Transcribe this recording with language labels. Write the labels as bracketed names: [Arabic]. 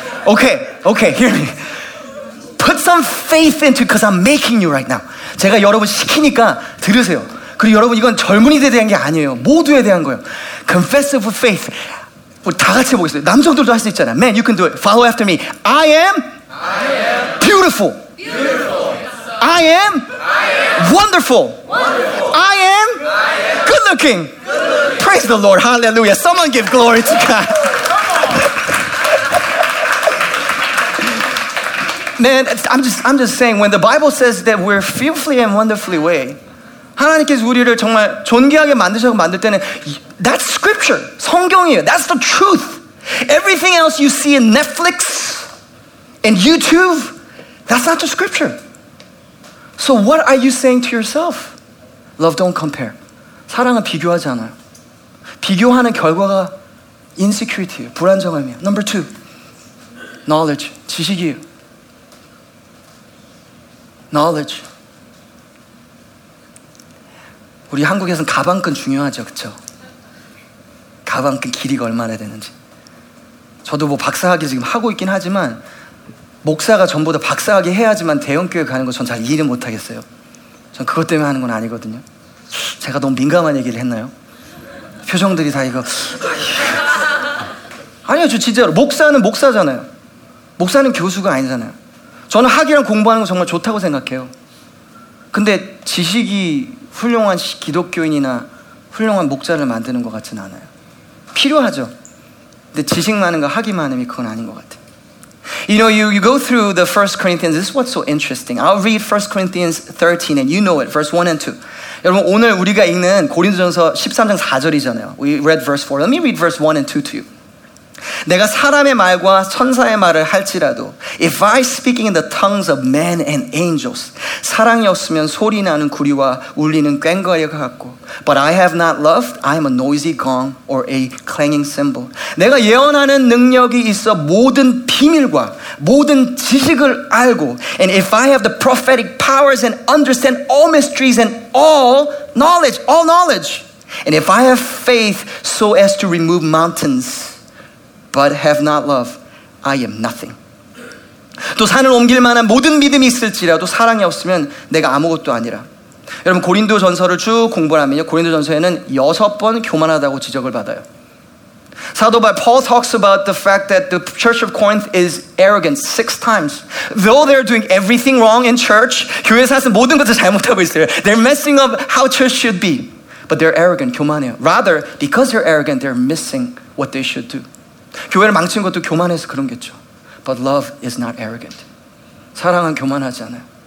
[English] Okay, okay, hear me. Put some faith into it because I'm making you right now. [Korean] 제가 여러분 시키니까 들으세요. 그리고 여러분 이건 젊은이들에 대한 게 아니에요. 모두에 대한 거예요. [English] Confess it with faith. [Korean] 우리 다 같이 해보겠습니다. 남성들도 할 수 있잖아요. [English] Man, you can do it. Follow after me. I am beautiful. Beautiful. I am wonderful. I am good looking. Praise the Lord. Hallelujah. Someone give glory to God. Man, I'm just saying, when the Bible says that we're fearfully and wonderfully made, [Korean] 하나님께서 우리를 정말 존귀하게 만드셔서 만들 때는 [English] that's scripture, [Korean] 성경이에요. [English] That's the truth. Everything else you see in Netflix and YouTube, that's not the scripture. So what are you saying to yourself? Love don't compare. [Korean] 사랑은 비교하지 않아요. 비교하는 결과가 insecurity예요, 불안정함이에요. [English] Number two, knowledge, [Korean] 지식이에요. [English] Knowledge. [Korean] 우리 한국에서는 가방끈 중요하죠, 그렇죠? 가방끈 길이가 얼마나 되는지. 저도 뭐 박사학위 지금 하고 있긴 하지만 목사가 전부 다 박사학위 해야지만 대형교회 가는 거 전 잘 이해는 못하겠어요. 전 그것 때문에 하는 건 아니거든요. 제가 너무 민감한 얘기를 했나요? 표정들이 다 이거. 아니요, 저 진짜로 목사는 목사잖아요. 목사는 교수가 아니잖아요. 저는 학위랑 공부하는 거 정말 좋다고 생각해요. 근데 지식이 훌륭한 기독교인이나 훌륭한 목자를 만드는 것 같진 않아요. 필요하죠. 근데 지식 많은 거, 학위 많음이 그건 아닌 것 같아요. [English] You know, you go through the 1 Corinthians. This is what's so interesting. I'll read 1 Corinthians 13 and you know it, verse 1 and 2. [Korean] 여러분, 오늘 우리가 읽는 고린도전서 13장 4절이잖아요. [English] We read verse 4. Let me read verse 1 and 2 to you. [Korean] 내가 사람의 말과 천사의 말을 할지라도 [English] If I speaking in the tongues of men and angels [Korean] 사랑이 없으면 소리 나는 구리와 울리는 꽹과리 같고 [English] But I have not loved, I am a noisy gong or a clanging cymbal [Korean] 내가 예언하는 능력이 있어 모든 비밀과 모든 지식을 알고 [English] And if I have the prophetic powers and understand all mysteries and all knowledge And if I have faith so as to remove mountains, but have not love, I am nothing. [Korean] 또 산을 옮길 만한 모든 믿음이 있을지라도 사랑이 없으면 내가 아무것도 아니라. 여러분 고린도 전서를 쭉 공부하면요. 고린도 전서에는 6번 교만하다고 지적을 받아요. [English] 사도 바울, Paul talks about the fact that the church of Corinth is arrogant 6 times. Though they're doing everything wrong in church, [Korean] 교회에서 모든 것을 잘못하고 있어요. [English] They're messing up how church should be. But they're arrogant, [Korean] 교만해요. [English] Rather, because they're arrogant, they're missing what they should do. [Korean] 교회를 망친 것도 교만해서 그런 겠죠. [English] But love is not arrogant. [Korean] 사랑은 교만하지 않아요.